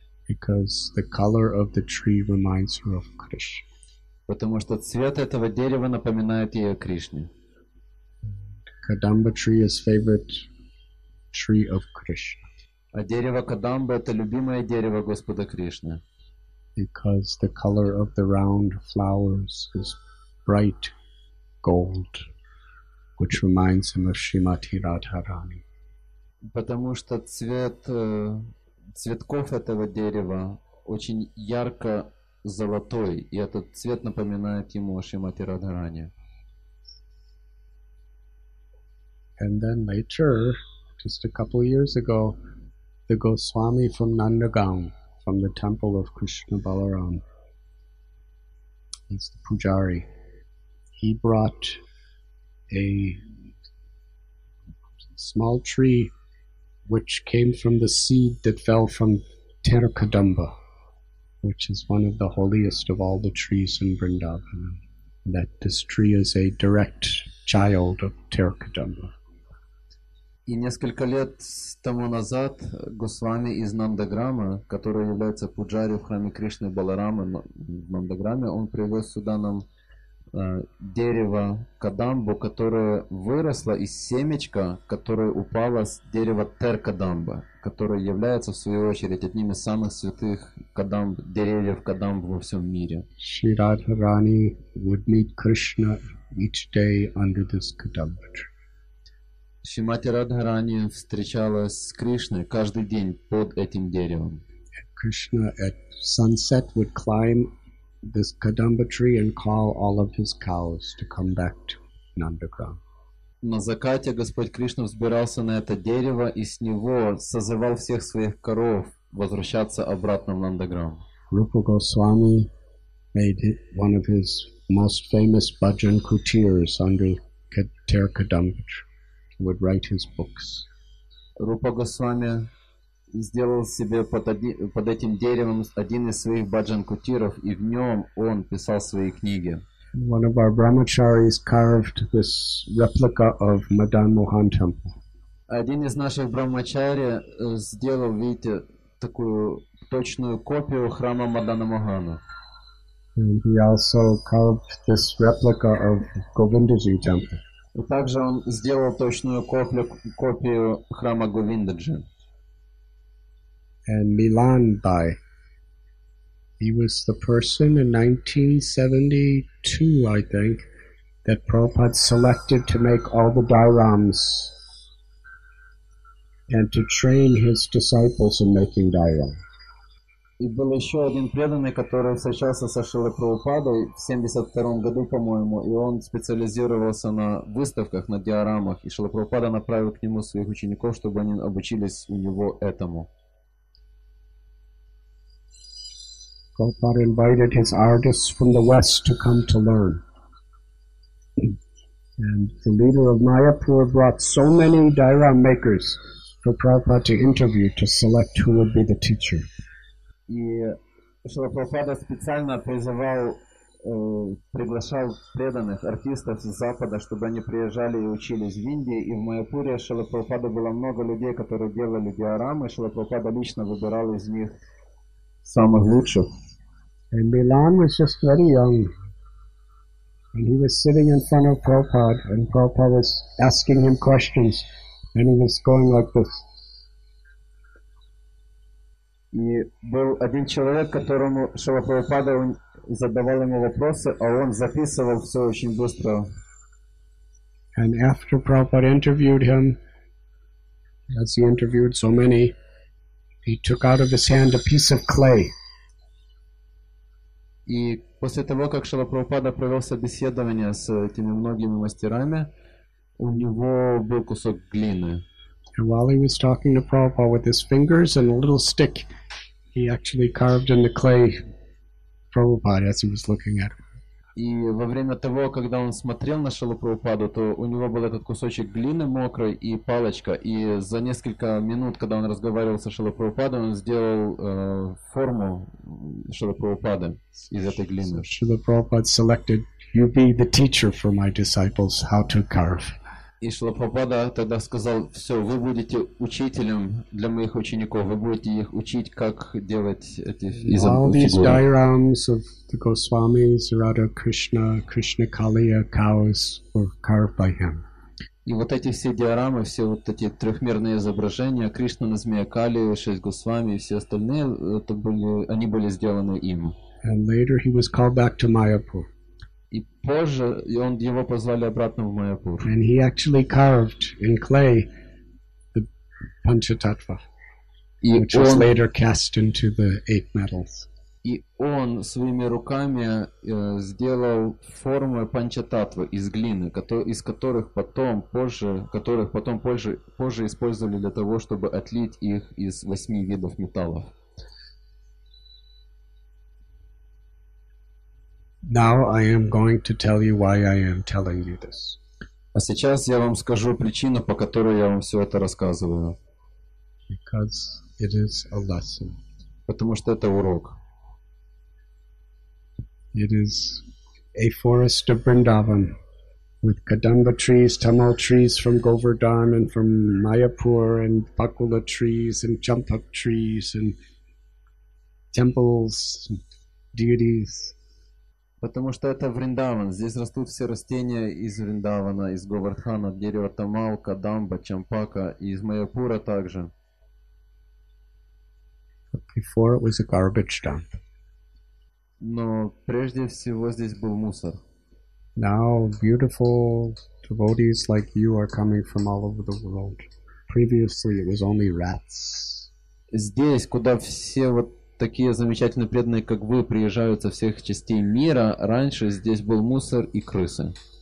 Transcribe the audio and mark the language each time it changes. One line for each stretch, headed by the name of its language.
English: Because the color of the tree reminds her of Krishna.
Russian: Потому что цвет этого дерева напоминает ей о Кришне.
English: Kadamba tree is favorite tree of Krishna.
Russian: А дерево кадамба – это любимое дерево Господа Кришны.
English: Because the color of the round flowers is bright gold, which reminds him of Shrimati Radharani.
Russian: Потому что цвет цветков этого дерева очень ярко золотой, и этот цвет напоминает ему о Шримати Радхарани.
English: And then later, just a couple of years ago, the Goswami from Nandagaon, from the temple of Krishna Balaram, he's the pujari, he brought a small tree which came from the seed that fell from Terakadamba, which is one of the holiest of all the trees in Vrindavan. That this tree is a direct child of Terakadamba.
Russian: И несколько лет тому назад Госвами из Нандаграма, который является пуджари в храме Кришны Баларамы в Нандаграме, он привез сюда нам дерево кадамбу, которое выросло из семечка, которое упало с дерева Теркадамба, которое является, в свою очередь, одним из самых святых кадамб, деревьев кадамб во всем мире.
English: Шри Радхарани would meet Krishna each day under this kadamba tree.
Russian: Шримати Радхарани встречалась с Кришной каждый день под этим деревом.
English: Krishna at sunset would climb this kadamba tree and call all of his cows to come back to Nandagram.
Russian: На закате Господь Кришна взбирался на это дерево и с него созывал всех своих коров возвращаться обратно в Нандаграм.
English: Rupa Goswami made one of his most famous bhajan kutirs under Terakadamba tree. Would write his books.
Russian: Rupa Goswami сделал себе под этим деревом один из своих баджан кутиров, и в нем он писал свои книги.
English: One of our brahmacharis carved this replica of Madan Mohan temple.
Russian: Один из наших брахмачари сделал, видите, такую точную копию храма Мадана Мохана.
English: And he also carved this replica of Govindaji temple.
Russian: И также он сделал точную копию храма Говиндаджи.
English: And Milan Bhai. He was the person in 1972, I think, that Prabhupada selected to make all the dhyarams and to train his disciples in making dhyarams.
Russian: И был еще один преданный, который встречался со Шрилой Прабхупадой в 72-м году, по-моему, и он специализировался на выставках, на диорамах, и Шрила Прабхупада направил к нему своих учеников, чтобы они обучились у него этому.
English: Prabhupada invited his artists from the West to come to learn. And the leader of Mayapur brought so many diorama makers for Prabhupada to interview to select who would be the teacher.
Russian: И Шрила Прабхупада специально призывал, приглашал преданных артистов с Запада, чтобы они приезжали и учились в Индии. И в Майяпуре Шрила Прабхупада было много людей, которые делали диорамы. Шрила Прабхупада лично выбирал из них самых лучших.
English: And Milan was just very young. And he was sitting in front of Prabhupada, and Prabhupada was asking him questions, and he was going like this.
Russian: И был один человек, которому Шрила Прабхупада задавал ему вопросы, а он записывал все очень быстро.
English: And after Prabhupada interviewed him, as he interviewed so many, he took out of his hand a piece of clay.
Russian: И после того, как Шрила Прабхупада провел собеседование с этими многими мастерами, у него был кусок глины.
English: And while he was talking to Prabhupada with his fingers and a little stick, he actually carved in the clay Prabhupada as he was looking at him.
Russian: И во время того, когда он смотрел на Шрилу Прабхупаду, то у него был этот кусочек глины мокрой и палочка. И за несколько минут, когда он разговаривал со Шрилой Прабхупадой, он сделал форму Шрилы Прабхупады из этой глины.
English: Шрила Прабхупада selected, you be the teacher for my disciples how to carve.
Russian: И Шрила Прабхупада тогда сказал, все, вы будете учителем для моих учеников, вы будете их учить, как делать эти фигуры.
English: All these diorams of the Goswamis, Radha Krishna, Krishna Kaliya, cows were carved by him.
Russian: И вот эти все диорамы, все вот эти трехмерные изображения, Кришна на змее Кали, шесть Госвами и все остальные, это были, они были сделаны им.
English: And later he was called back to Mayapur.
Russian: И позже он, его позвали обратно в Майяпур.
English: And he actually carved in clay the Panchatattva, which
Russian: он,
English: was later cast into the eight metals.
Russian: И он своими руками сделал формы Панчататвы из глины, из которых потом позже, которых потом позже, позже использовали для того, чтобы отлить их из восьми видов металлов.
English: Now I am going to tell you why I am telling you this.
Russian: А сейчас я вам скажу причину, по которой я вам все это рассказываю.
English: Because it is a lesson.
Russian: Потому что это урок.
English: It is a forest of Vrindavan with kadamba trees, tamal trees from Govardhan and from Mayapur and bakula trees and champak trees and temples and deities.
Russian: Потому что это Вриндаван. Здесь растут все растения из Вриндавана, из Говардхана, дерево тамал, кадамба, чампака и из Майяпура также.
English: Before it was a garbage dump.
Russian: Но прежде всего здесь был мусор.
English: Now beautiful devotees like you are coming from all over the world. Previously it was only rats.
Russian: Здесь, куда все вот такие замечательные преданные, как вы, приезжают со всех частей мира. Раньше здесь был мусор и крысы.